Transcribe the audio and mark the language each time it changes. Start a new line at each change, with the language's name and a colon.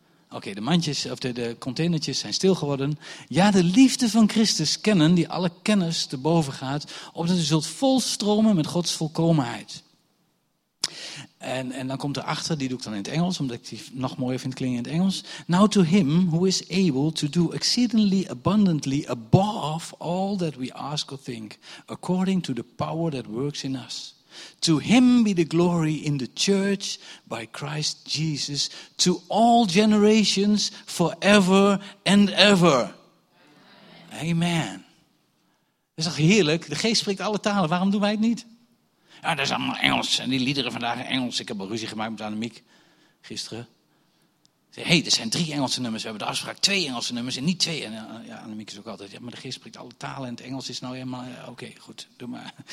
Dutch: Oké, de mandjes of de containertjes zijn stil geworden. Ja, de liefde van Christus kennen die alle kennis te boven gaat. Opdat u zult volstromen met Gods volkomenheid. En dan komt erachter, die doe ik dan in het Engels, omdat ik die nog mooier vind klinken in het Engels.
English: Now to him who is able to do exceedingly abundantly above all that we ask or think, according to the power that works in us. To him be the glory in the church by Christ Jesus to all generations forever and ever.
Dutch: Amen. Dat is toch heerlijk? De geest spreekt alle talen, waarom doen wij het niet? Ja, dat is allemaal Engels. En die liederen vandaag Engels. Ik heb al ruzie gemaakt met Annemiek gisteren. Ze zei, hey, er zijn 3 Engelse nummers. We hebben de afspraak 2 Engelse nummers en niet 2. En ja, Annemiek is ook altijd, ja, maar de geest spreekt alle talen. En het Engels is nou helemaal, ja, oké, goed, doe maar.